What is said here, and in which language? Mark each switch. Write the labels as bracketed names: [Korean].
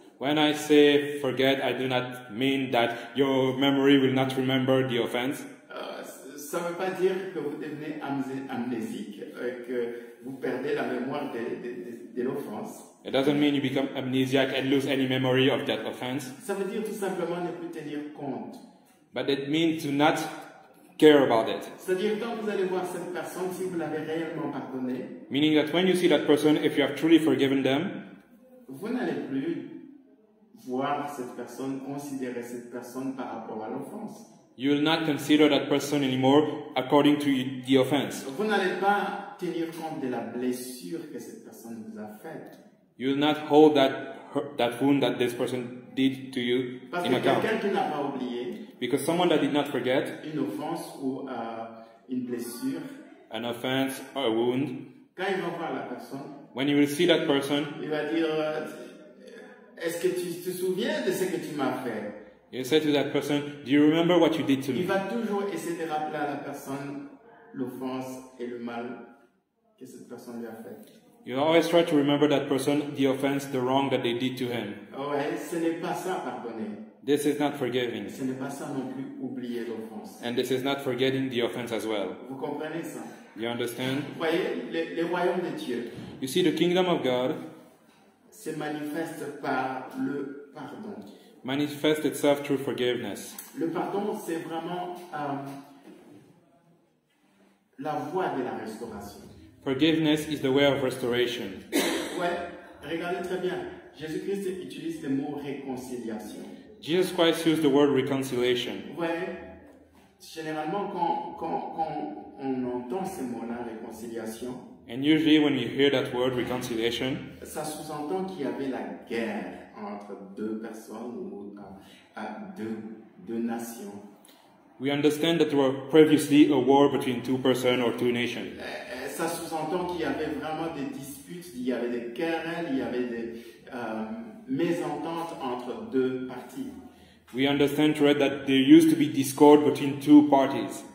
[English] When I say forget, I do not mean that your memory will not remember the offense. [French] Ça ne veut pas dire que vous devenez amnésique et que vous perdez la mémoire de l'offense. [English] It doesn't mean you become amnesiac and lose any memory of that offense. [French] Ça veut dire tout simplement ne plus tenir compte. [English] But it means to not care about it. [French] C'est-à-dire quand vous allez voir cette personne, si vous l'avez réellement pardonné. [English] Meaning that when you see that person, if you have truly forgiven them. [French] Vous n'allez plus voir cette personne, considérer cette personne par rapport à l'offense. [English] You will not consider that person anymore according to the offense. [French] Vous n'allez pas tenir compte de la blessure que cette personne vous a faite. [English] You will not hold that wound that this person did to you [French] parce [English] in account. [French] Parce que quelqu'un qui n'a pas oublié. [English] Because someone that did not forget. [French] Une offense ou une blessure. [English] An offense or a wound. [French] Quand il va voir la personne. [English] When you will see that person. [French] Il va dire, est-ce que tu te souviens de ce que tu m'as fait? [English] You say to that person, do you remember what you did to me? [French] Il va toujours essayer de rappeler à la personne l'offense et le mal que cette personne lui a fait. [English] You always try to remember that person, the offense, the wrong that they did to him. [French] Ouais, ce n'est pas ça, pardonner. [English] This is not forgiving. [French] Ce n'est pas ça non plus, oublier l'offense. [English] And this is not forgetting the offense as well. [French] Vous comprenez ça? [English] You understand? [French] Vous voyez, le royaume de Dieu. [English] You see, the kingdom of God [French] se manifeste par le pardon. [English] Manifest itself through forgiveness. [French] Le pardon, c'est vraiment la voie de la restauration. [English] Forgiveness is the way of restoration. [French] Ouais, regardez très bien. Jésus-Christ utilise le mot réconciliation. [English] Jesus Christ used the word reconciliation. [French] Ouais, généralement quand on entend ce mot-là, réconciliation. [English] And usually when you hear that word reconciliation, [French] ça sous-entend qu'il y avait la guerre entre deux personnes ou deux nations. [English] We understand that there was previously a war between two persons or two nations. [French] Ça sous-entend qu'il y avait vraiment des disputes, il y avait des querelles, il y avait des mésententes entre deux parties. [English] We understand right that there used to be discord between two parties.